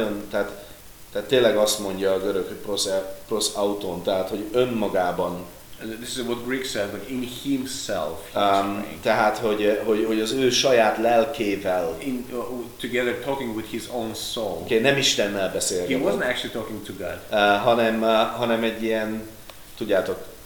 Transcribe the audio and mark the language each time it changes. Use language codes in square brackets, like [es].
[hu] Tehát tényleg azt mondja a görög, hogy [el] prosz auton, [hu] tehát hogy önmagában. [en] This is what Greek says, like in himself. [hu] Tehát hogy az ő saját lelkével. [en] Together talking with his own soul. [hu] Okay, nem Istennel beszélget. [en] He wasn't actually talking to God. [hu] Hanem egy ilyen, tudjátok.